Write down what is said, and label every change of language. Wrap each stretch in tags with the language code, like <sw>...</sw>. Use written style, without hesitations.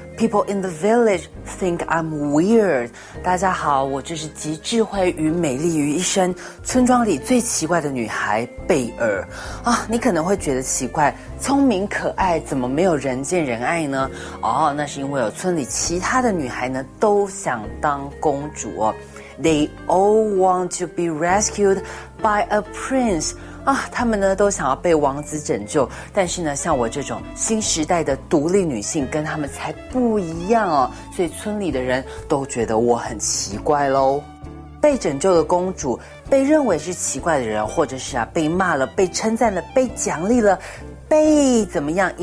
<en>People in the village think I'm weird.</en> <zh>大家好，我就是集智慧与美丽于一身，村庄里最奇怪的女孩贝尔。啊，你可能会觉得奇怪，聪明可爱，怎么没有人见人爱呢？哦，那是因为有村里其他的女孩呢，都想当公主哦。</zh> <en>They all want to be rescued by a prince.</en> <zh>啊，他们呢都想要被王子拯救，但是呢，像我这种新时代的独立女性跟他们才不一样哦，所以村里的人都觉得我很奇怪咯。被拯救的公主被认为是奇怪的人，或者是啊被骂了、被称赞了、被奖励了，被怎么样？</zh>